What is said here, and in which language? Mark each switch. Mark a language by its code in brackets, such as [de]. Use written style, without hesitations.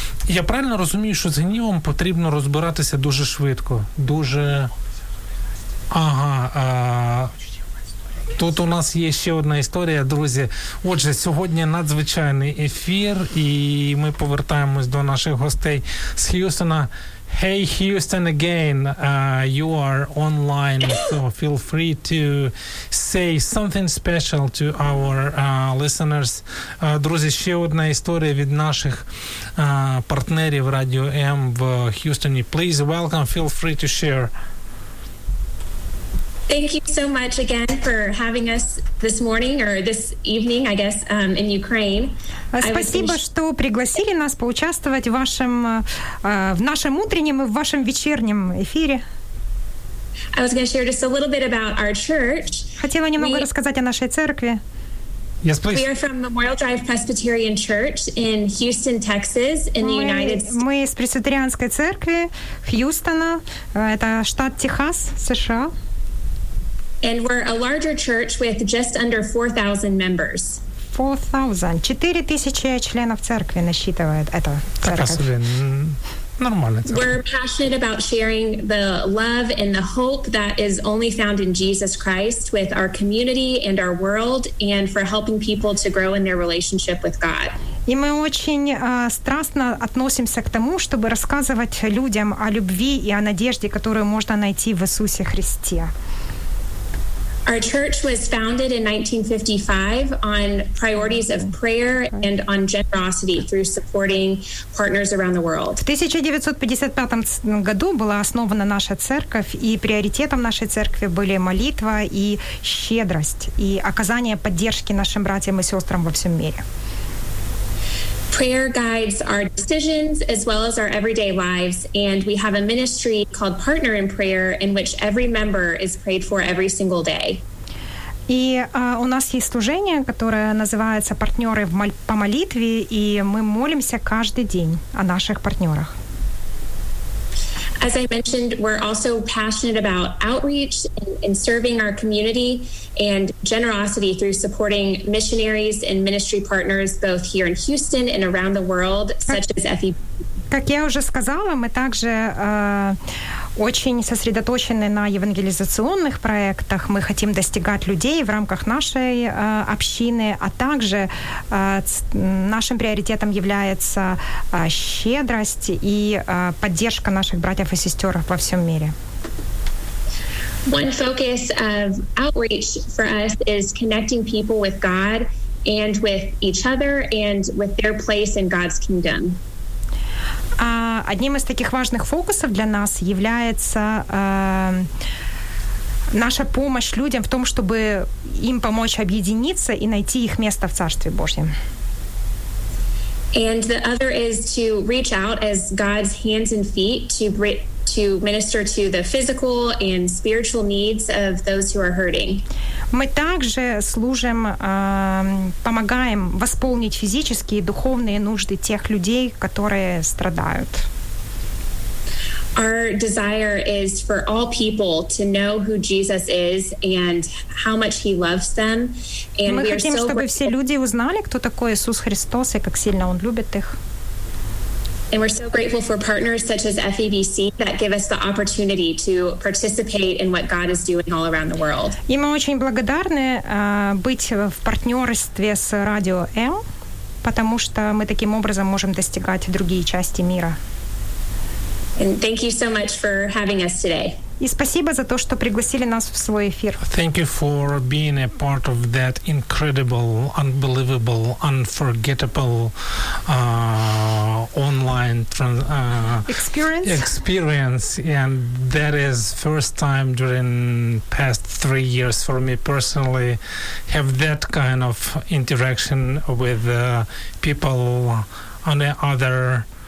[uk] Я правильно розумію, що з гнівом потрібно розбиратися дуже швидко, дуже... Ага, тут у нас є ще одна історія, друзі. Отже, сьогодні надзвичайний ефір, і ми повертаємось до наших гостей з Х'юстона. [en] Hey, Houston, again, you are online, so feel free to say something special to our listeners. [uk] Друзі, ще одна історія від наших партнерів Радіо М в Х'юстоні. [en] Please welcome, feel free to share. Thank you so much again for having us this morning or this evening, I guess, in Ukraine. [ru] Спасибо, что пригласили нас поучаствовать в вашем в нашем утреннем и в вашем вечернем эфире. [en] I was going to share just a little bit about our church. [ru] Хотела немного рассказать о нашей церкви. [en] Yes, please. We are from Memorial Drive Presbyterian Church in Houston, Texas, in the United States. [ru] Мы из пресвитерианской церкви Хьюстона. Это штат Техас, США. [en] And we're a larger church with just under 4,000 members. 4,000. [ru] 4,000 членов церкви насчитывает эта церковь. Нормально. [en] We're passionate about sharing the love and the hope that is only found in Jesus Christ with our community and our world and for helping people to grow in their relationship with God. [ru] И мы очень страстно относимся к тому, чтобы рассказывать людям о любви и о надежде, которую можно найти в Иисусе Христе. [en] Our church was founded in 1955 on priorities of prayer and on generosity through supporting partners around the world. [ru] В 1955 году была основана наша церковь, и приоритетом нашей церкви были молитва и щедрость, и оказание поддержки нашим братьям и сестрам во всем мире. [en] Prayer guides our decisions as well as our everyday lives, and we have a ministry called Partner in Prayer, in which every member is prayed for every single day. [ru] И у нас есть служение, которое называется «Партнеры по молитве», и мы молимся каждый день о наших партнерах. [en] As I mentioned, we're also passionate about outreach and serving our community and generosity through supporting missionaries and ministry partners both here in Houston and around the world, such as FEP. [ru] Как я уже сказала, мы также очень сосредоточены на евангелизационных проектах. Мы хотим достигать людей в рамках нашей общины, а также нашим приоритетом является щедрость и поддержка наших братьев и сестер во всем мире. [en] One focus of outreach for us is connecting people with God and with each other and with their place in God's kingdom. [ru] Одним из таких важных фокусов для нас является наша помощь людям в том, чтобы им помочь объединиться и найти их место в Царстве Божьем. [en] And the other is to reach out as God's hands and feet to minister to the physical and spiritual needs of those who are hurting. [ru] Мы также служим, помогаем восполнить физические и духовные нужды тех людей, которые страдают. [en] Our desire is for all people to know who Jesus is and how much he loves them. [ru] And мы хотим, чтобы все люди узнали, кто такой Иисус Христос и как сильно он любит их. [en] And we're so grateful for partners such as FEBC that give us the opportunity to participate in what God is doing all around the world. [ru] И мы очень благодарны быть в партнерстве с Радио М, потому что мы таким образом можем достигать другие части мира. [en] And thank you so much for having us today. [ru] И спасибо за то, что пригласили нас в свой эфир. [en] Thank you for being a part of that incredible, unbelievable, unforgettable online experience. And that is first time during past 3 years for me personally have that kind of interaction with people on the other